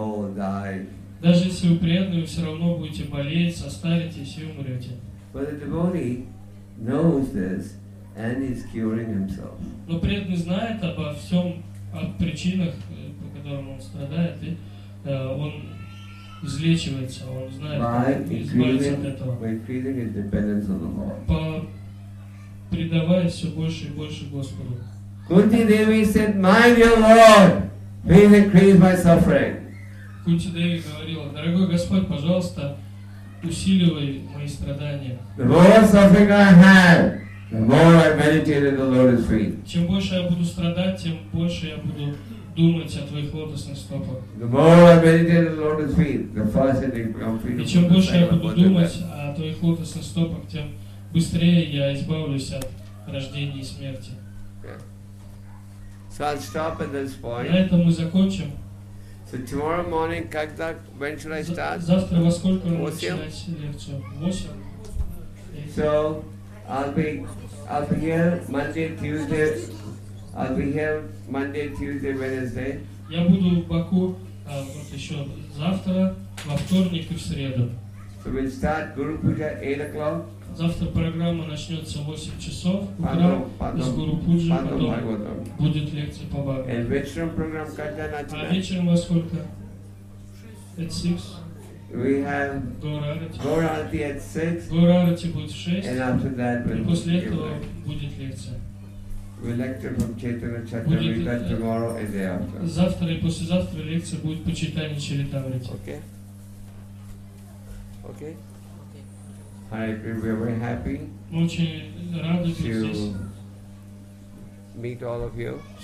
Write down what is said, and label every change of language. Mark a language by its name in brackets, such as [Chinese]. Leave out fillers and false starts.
[Russian] Даже если вы преданный, вы все равно будете болеть, состаритесь и умрете. [English] But the devotee knows this, and he's curing himself. [Russian] Но преданный знает обо всем, о причинах, по которым он страдает, и он излечивается, он знает, как избавиться от этого. [English] By increasing his dependence on the Lord. [Russian] По предавая все больше и больше Господу. [English] Kunti Devi said, "My dear Lord, please increase my suffering." [Russian] Kunti Devi говорила: "Дорогой Господь, пожалуйста, усиливай мои страдания. [English] The more suffering I have, the more I meditate that the Lord is free. [Russian] Чем больше я буду страдать, тем больше я буду думать о твоих лотосных стопах. [English] The more I meditate that the Lord is free, the faster I become free. [Russian] И чем больше я буду думать о твоих лотосных стопах, тем быстрее я избавлюсь от рождения и смерти. [English] So I'll stop at this point. [Russian] На этом мы закончим. [English] So tomorrow morning, [Russian] когда, [English] when should I start? [Russian] Завтра во сколько начинать лекцию? 8. [English] So I'll be here Monday, Tuesday. I'll be here Monday, Tuesday, Wednesday. [Russian] Я буду в Баку вот еще завтра, во вторник и в среду. [English] So we'll start Guru Puja at 8 o'clock. [Russian] Завтра программа начнется в 8 часов утра из Гуру Пуджи, потом будет лекция по Бхагавад-гите. А вечером программа когда начинается? А вечером во сколько? [English] At 6. We have [Russian] Горарати [English] at 6. [Russian] Горарати будет в 6. [English] And after that we'll [Russian] после этого будет лекция. [English] We'll lecture from Chaitanya Charitamrita tomorrow and day after. [Russian] Завтра и послезавтра лекция будет по читанию Чаритамрити. [English] Okay. Okay. We're very happy to meet all of you.